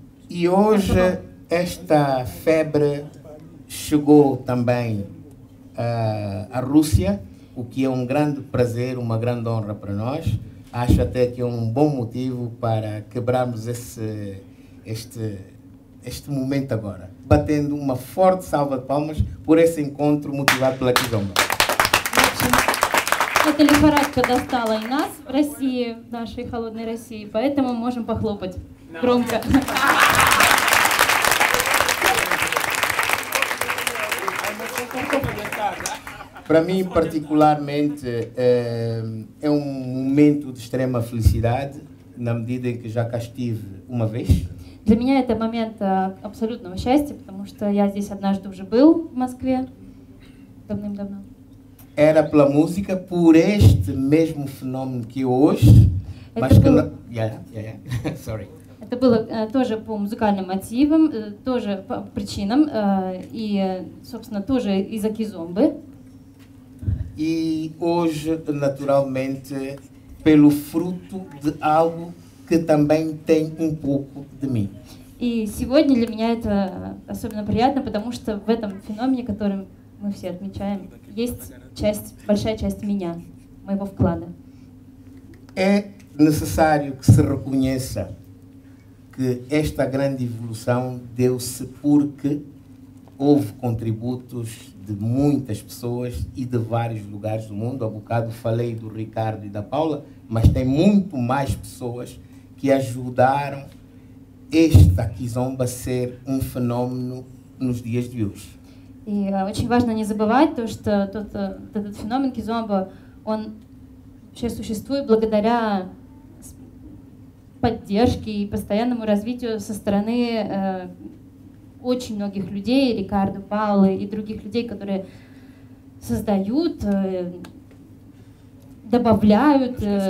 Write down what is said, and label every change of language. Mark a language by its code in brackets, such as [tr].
[pt] E hoje esta febre chegou também à Rússia, o que é um grande prazer, uma grande honra para nós. Acho até que é um bom motivo para quebrarmos este momento agora, batendo uma forte salva de palmas por esse encontro motivado pela Kizomba. [ru] Эта лихорадка достала и нас в России, в нашей холодной России, поэтому можем похлопать громко. [pt] Para mim, particularmente, é um momento de extrema felicidade, na medida em que já cá estive uma vez. [ru] Для меня это момент абсолютного счастья, потому что я здесь однажды уже был в Москве давным-давно. [pt] Era pela música, por este mesmo fenómeno que hoje, [ru] это [pt] mas [ru] было... [pt] que não... [en] Yeah. Sorry. [ru] Это было тоже по музыкальным мотивам, тоже по причинам, и, собственно, тоже из-за кизомбы. [pt] E hoje, naturalmente, pelo fruto de algo que também tem pouco de mim. [ru] И сегодня для меня это особенно приятно, потому что в этом феномене, который мы все отмечаем, есть часть, большая часть меня, моего вклада. [pt] É necessário que se reconheça que esta grande evolução deu-se porque houve contributos de muitas pessoas e de vários lugares do mundo. Há bocado falei do Ricardo e da Paula, mas tem muito mais pessoas que ajudaram esta kizomba a ser fenómeno nos dias de hoje. [ru] И очень важно не забывать то, что этот феномен кизомба, он вообще существует благодаря поддержке и постоянному развитию со стороны очень многих людей, Рикардо, Паулы и других людей, которые создают, добавляют